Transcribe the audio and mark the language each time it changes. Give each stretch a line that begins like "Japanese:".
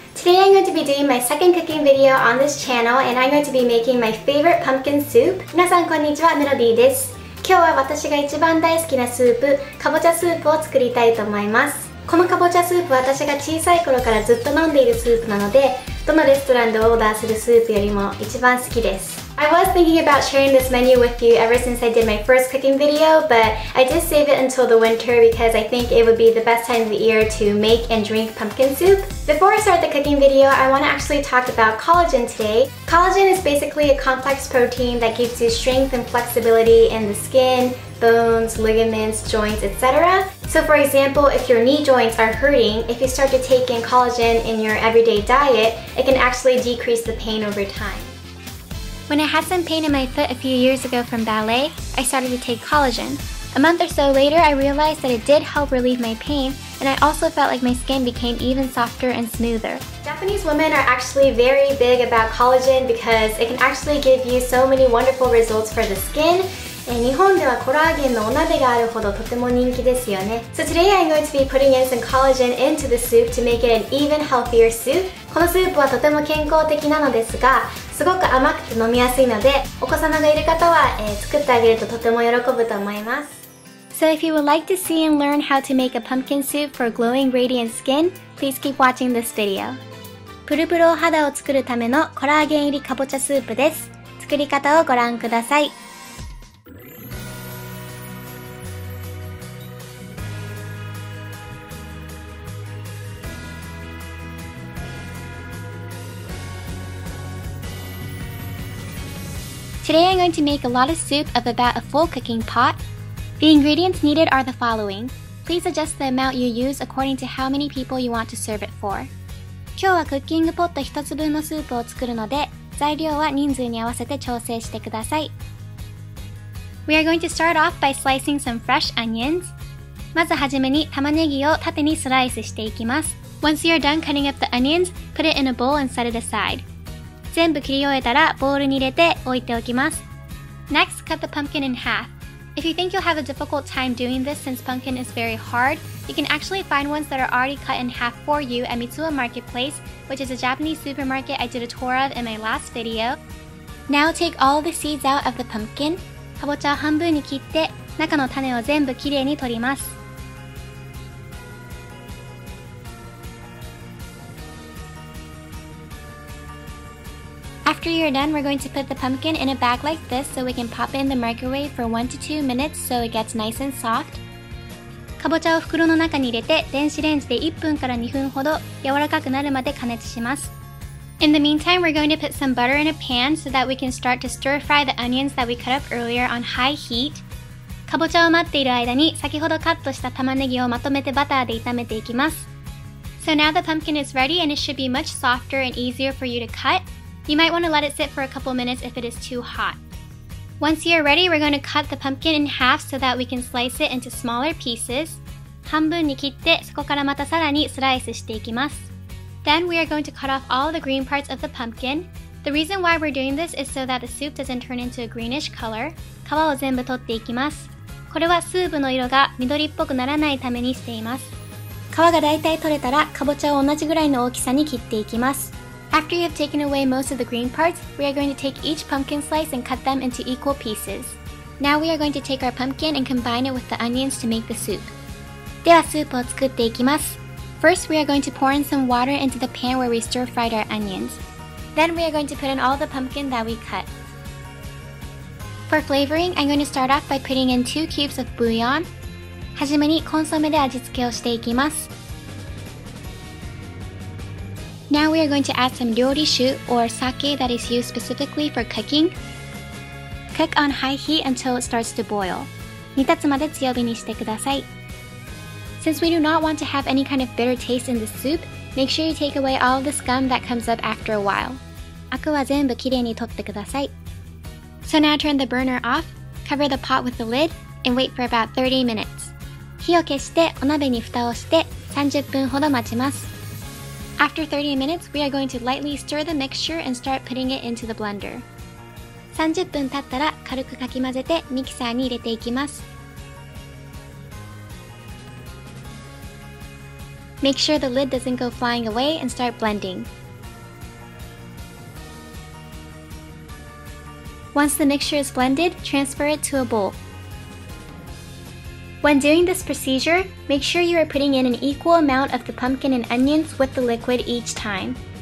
English: Today I'm going to be doing my second cooking video on this channel and I'm going to be making my favorite pumpkin soup.
Japanese: 皆さんこんにちは、Melodee です。今日は私が一番大好きなスープ、かぼちゃスープを作りたいと思います。このかぼちゃスープは私が小さい頃からずっと飲んでいるスープなので、どのレストランでオーダーするスープよりも一番好きです。
English: I was thinking about sharing this menu with you ever since I did my first cooking video, but I did save it until the winter because I think it would be the best time of the year to make and drink pumpkin soup. Before I start the cooking video, I want to actually talk about collagen today. Collagen is basically a complex protein that gives you strength and flexibility in the skin, bones, ligaments, joints, etc. So for example, if your knee joints are hurting, if you start to take in collagen in your everyday diet, it can actually decrease the pain over time. When I had some pain in my foot a few years ago from ballet, I started to take collagen. A month or so later, I realized that it did help relieve my pain, and I also felt like my skin became even softer and smoother. Japanese women are actually very big about collagen because it can actually give you so many wonderful results for the skin.
Japanese: 日本ではコラーゲンのお鍋があるほどとても人気ですよね。
English: So today I'm going to be putting in some collagen into the soup to make it an even healthier soup.
Japanese: このスープはとても健康的なのですが、すごく甘くて飲みやすいので、お子様がいる方は、作ってあげるととても喜ぶと思います。
English: So if you would like to see and learn how to make a pumpkin soup for glowing radiant skin, please keep watching this video.
Japanese: プルプルお肌を作るためのコラーゲン入りかぼちゃスープです。作り方をご覧ください。
English: Today I'm going to make a lot of soup of about a full cooking pot. The ingredients needed are the following. Please adjust the amount you use according to how many people you want to serve it for.
Japanese: 今日はクッキングポット1つ分のスープを作るので、材料は人数に合わせて調整してください。
English: We are going to start off by slicing some fresh onions.
Japanese: まずはじめに玉ねぎを縦にスライスしていきます。
English: Once you are done cutting up the onions, put it in a bowl and set it aside.
Japanese: 全部切り終えたらボウルに入れて置いておきます。
English: Next, cut the pumpkin in half. If you think you'll have a difficult time doing this since pumpkin is very hard, you can actually find ones that are already cut in half for you at Mitsuo Marketplace, which is a Japanese supermarket I did a tour of in my last video. Now take all the seeds out of the pumpkin.
Japanese: かぼちゃを半分に切って中の種を全部きれいに取ります。
English: After you're done, we're going to put the pumpkin in a bag like this so we can pop it in the microwave for 1 to 2 minutes so it gets nice and soft.
Japanese: かぼちゃを袋の中に入れて電子レンジで1分から2分ほど柔らかくなるまで加熱します。
English: In the meantime, we're going to put some butter in a pan so that we can start to stir fry the onions that we cut up earlier on high heat.
Japanese: かぼちゃを待っている間に先ほどカットした玉ねぎをまとめてバターで炒めていきます。
English: So now the pumpkin is ready and it should be much softer and easier for you to cut. You might want to let it sit for a couple minutes if it is too hot. Once you are ready, we're going to cut the pumpkin in half so that we can slice it into smaller pieces.
Japanese: 半分に切って、そこからまたさらにスライスしていきます。
English: Then we are going to cut off all the green parts of the pumpkin. The reason why we're doing this is so that the soup doesn't turn into a greenish color.
Japanese: 皮を全部取っていきます。これはスープの色が緑っぽくならないためにしています。皮がだいたい取れたら、かぼちゃを同じぐらいの大きさに切っていきます。
English: After you have taken away most of the green parts, we are going to take each pumpkin slice and cut them into equal pieces. Now we are going to take our pumpkin and combine it with the onions to make the soup.
Japanese: ではスープを作っていきます。
English: First, we are going to pour in some water into the pan where we stir-fried our onions. Then we are going to put in all the pumpkin that we cut. For flavoring, I'm going to start off by putting in 2 cubes of bouillon.
Japanese: はじめにコンソメで味付けをしていきます。
English: Now we are going to add some ryorishu or sake that is used specifically for cooking. Cook on high heat until it starts to boil.
Japanese: 煮立つまで強火にしてください。
English: Since we do not want to have any kind of bitter taste in the soup, make sure you take away all the scum that comes up after a while.
Japanese: アクは全部きれいに取ってください。
English: So now turn the burner off, cover the pot with the lid, and wait for about 30 minutes.
Japanese: 火を消してお鍋に蓋をして30分ほど待ちます。
English: After 30 minutes, we are going to lightly stir the mixture and start putting it into the blender.
Japanese: 30分経ったら軽くかき混ぜてミキサーに入れていきます。
English: Make sure the lid doesn't go flying away and start blending. Once the mixture is blended, transfer it to a bowl. When doing this procedure, make sure you are putting in an equal amount of the pumpkin and onions with the liquid each time.